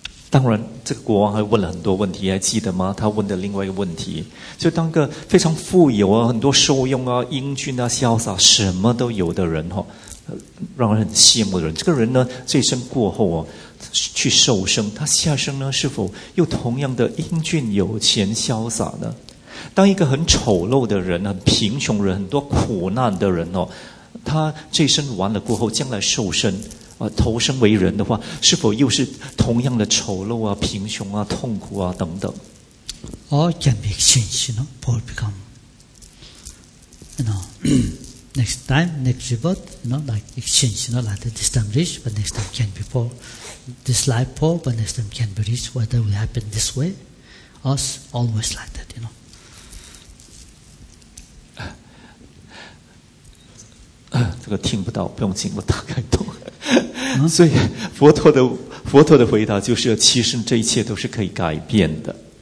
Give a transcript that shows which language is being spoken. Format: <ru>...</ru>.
<zh>当然这个国王还问了很多问题，还记得吗？他问的另外一个问题，就当个非常富有啊，很多受用啊，英俊啊，潇洒，什么都有的人，让人很羡慕的人，这个人呢，这一生过后啊，去受生，他下生呢，是否又同样的英俊、有钱、潇洒呢？当一个很丑陋的人，很贫穷人，很多苦难的人，他这一生完了过后，将来受生投生为人的话，是否又是同样的丑陋啊、贫穷啊、痛苦啊等等</zh> <en>？All can be exchanged, you know. Poor become, you know, next time, next rebirth, you know, like exchange, you know, like this time rich, but next time can be poor. This life poor, but next time can be rich. Whether we happen this way, us always like that, you know.</en> <zh>这个听不到，不用紧，我大概懂。所以佛陀的佛陀的回答就是，其实这一切都是可以改变的。</zh>